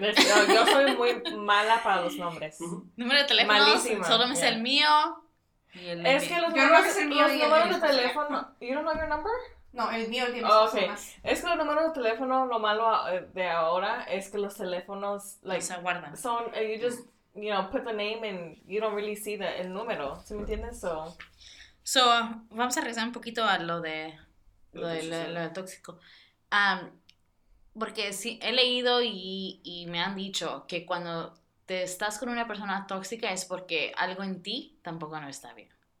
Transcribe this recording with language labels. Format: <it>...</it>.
<es>Yo soy muy mala para los nombres. Número de teléfono, malísima. Solo me sé el mío y el es que los números de teléfono.</es> <en>You don't know your number?</en> <es>No, el mío tiene más. Es que los números de teléfono, lo malo de ahora es que los teléfonos,</es> <en>like,</en> <es>se guardan.</es> <en>Son, you just, you know, put the name and you don't really see</en> <es>el número. ¿Sí me entiendes?</es> <en>So,</en> <es>vamos a regresar un poquito a lo de tóxico. Porque sí, he leído y me han dicho que cuando te estás con una persona tóxica es porque algo en ti tampoco no está bien.</es>